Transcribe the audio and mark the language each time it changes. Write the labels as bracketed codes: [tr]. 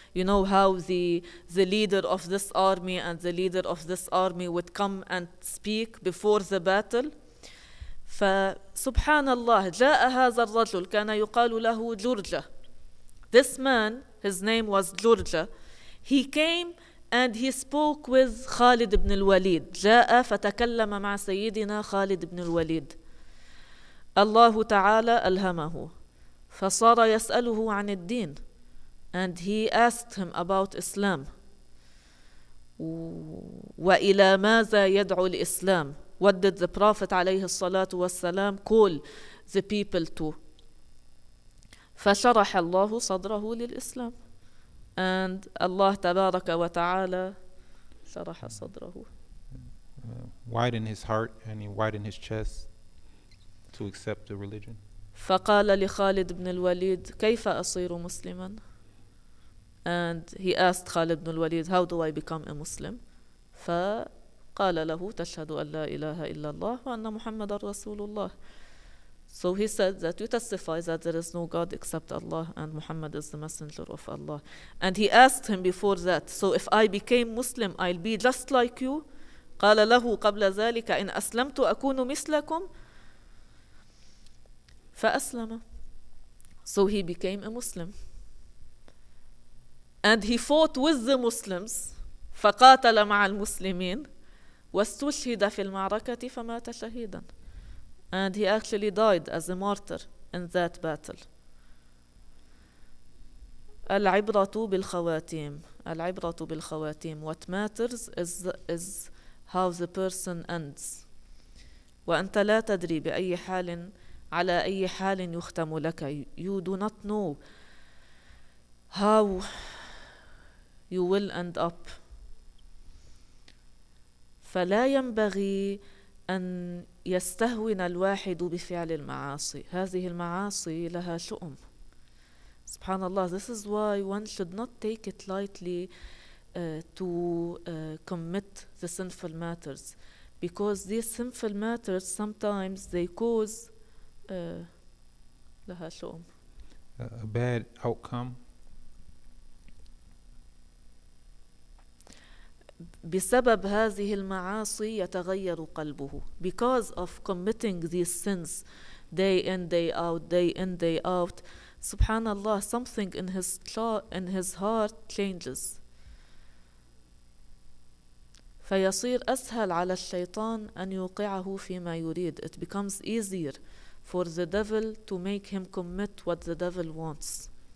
[en] You know how the leader of this army and the leader of this army would come and speak before the battle. [ar] فسبحان الله جاء هذا الرجل كان يقال له جورجا. [en] This man, his name was Jurja. He came and he spoke with خالد بن الوليد. [ar] جاء فتكلم مع سيدنا خالد بن الوليد. الله تعالى ألهمه فصار يسأله عن الدين. [en] And he asked him about Islam. [ar] وإلى ماذا يدعو الإسلام. [en] What did the Prophet [ar] عليه الصلاة والسلام [en] call the people to? [ar] فشرح الله صدره للإسلام. [en] And Allah [ar] تبارك وتعالى شرح صدره. [en] Widen his heart and he widen his chest to accept the religion. [ar] فقال لخالد بن الوليد كيف أصير مسلما؟ [en] And he asked Khalid ibn al-Walid, how do I become a Muslim? [ar] فقال له تشهد أن لا إله إلا الله وأن محمد رسول الله. [en] So he said that you testify that there is no God except Allah and Muhammad is the messenger of Allah. And he asked him before that, so if I became Muslim, I'll be just like you? [ar] قال له قبل ذلك إن أسلمت أكون مثلكم فأسلم. [en] So he became a Muslim. And he fought with the Muslims. [ar] فقاتل مع المسلمين واستشهد في المعركة فمات شهيدا. [en] And he actually died as a martyr in that battle. [ar] العبرة بالخواتيم. العبرة بالخواتيم. [en] What matters is how the person ends. [ar] وأنت لا تدري بأي حال على أي حال يختم لك. [en] You do not know how you will end up. [ar] فلا ينبغي أن يستهون الواحد بفعل المعاصي. هذه المعاصي لها شؤم. سبحان الله. [en] This is why one should not take it lightly to commit the sinful matters, because these sinful matters sometimes they cause [ar] لها شؤم. [en] A bad outcome. [ar] بسبب هذه المعاصي يتغير قلبه. [en] Because of committing these sins day in, day out, day in, day out, subhanallah, something in his heart changes. [ar] فيصير أسهل على الشيطان أن يوقعه فيما يريد. [en] It becomes easier for the devil to make him commit what the devil wants.